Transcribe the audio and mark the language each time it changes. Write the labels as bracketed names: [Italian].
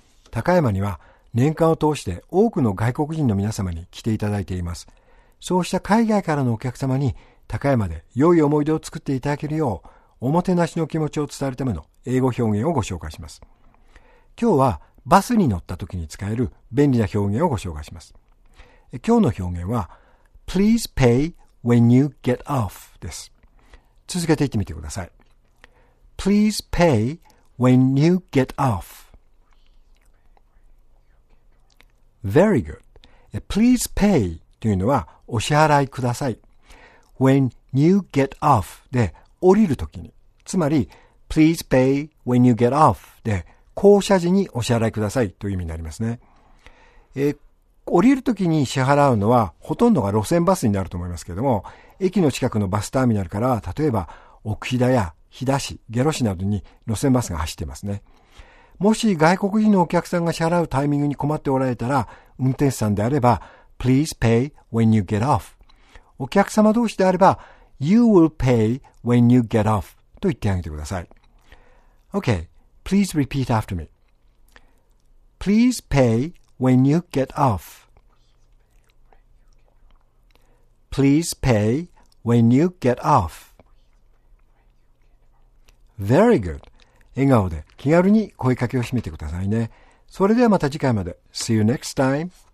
[Japanese] 高山には年間を通して多くの外国人の皆様に来ていただいています。そうした海外からのお客様に高山で良い思い出を作っていただけるよう、おもてなしの気持ちを伝えるための英語表現をご紹介します。今日はバスに乗った時に使える便利な表現をご紹介します。今日の表現は、 [English] Please pay when you get off [Japanese] です。続けて言ってみてください。 [English] Please pay when you get off. Very good. Please pay [Japanese] というのはお支払いください。 [English] When you get off [Japanese] で降りるときに。つまり、 [English] Please pay when you get off [Japanese] で降車時にお支払いくださいという意味になりますね。降りるときに支払うのはほとんどが路線バスになると思いますけれども、駅の近くのバスターミナルからは、例えば奥飛騨や飛騨市、下呂市などに路線バスが走っていますね。もし外国人のお客さんが支払うタイミングに困っておられたら、運転手さんであれば [English] Please pay when you get off。 [Japanese] お客様同士であれば [English] You will pay when you get off [Japanese] と言ってあげてください。 [English] OK, please repeat after me. Please pay when you get offPlease pay when you get off. Very good. [Japanese] 笑顔で気軽に声かけを締めてくださいね。それではまた次回まで。 [English] See you next time.